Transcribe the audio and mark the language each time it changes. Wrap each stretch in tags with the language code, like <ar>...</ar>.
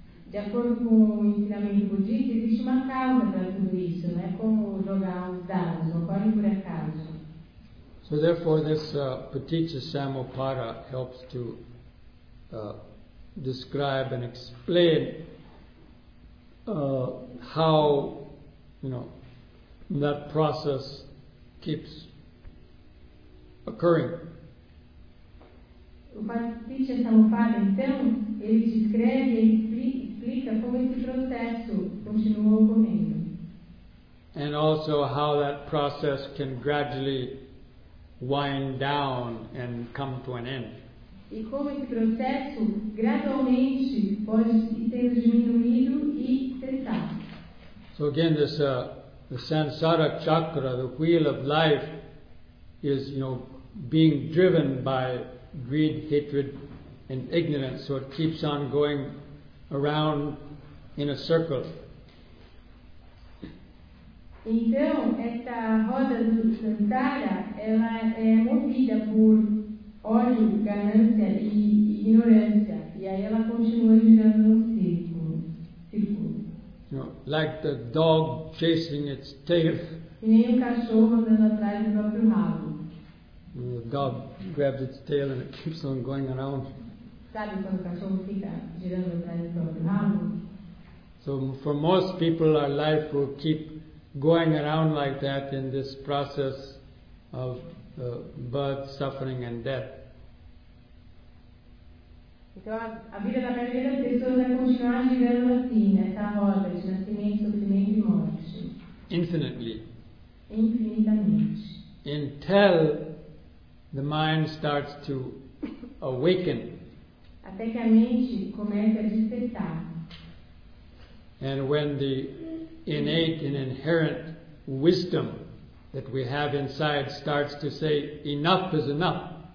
<pt>De acordo com o ensinamento budista, existe uma causa para tudo isso, não é como jogar os dados, não ocorre por acaso.</pt> <en>So therefore this Paticca-samuppada helps to describe and explain how, you know, that process keeps occurring.</en> <pt>O Paticca-samuppada, então, ele descreve e explica como esse processo continua ocorrendo.</pt> <en>And also how that process can gradually wind down and come to an end.</en> <pt>E como esse processo gradualmente pode ser diminuído e cessar.</pt> <en>So again, this the samsara chakra, the wheel of life, is, you know, being driven by greed, hatred, and ignorance. So it keeps on going around in a circle.</en> <pt>Então, esta roda do samsara, ela é movida por ódio, ganância e ignorância. E aí ela continua girando um círculo.</pt> <en>You know, like the dog chasing its tail.</en> <pt>E nem um cachorro andando atrás do próprio rabo.</pt> <en>And the dog grabs its tail and it keeps on going around.</en> <pt>Sabe quando o cachorro fica girando atrás do próprio rabo?</pt> <en>So for most people, our life will keep going around like that in this process of birth, suffering, and death.</en> <pt>Então a vida da maioria das pessoas vai continuar girando assim, nessa roda de nascimento, sofrimento e morte.</pt> <en>Infinitely.</en> <pt>Infinitamente.</pt> <en>Until the mind starts to awaken.</en> <pt>Até que a mente comece a despertar.</pt> <en>And when the innate and inherent wisdom that we have inside starts to say, enough is enough.</en>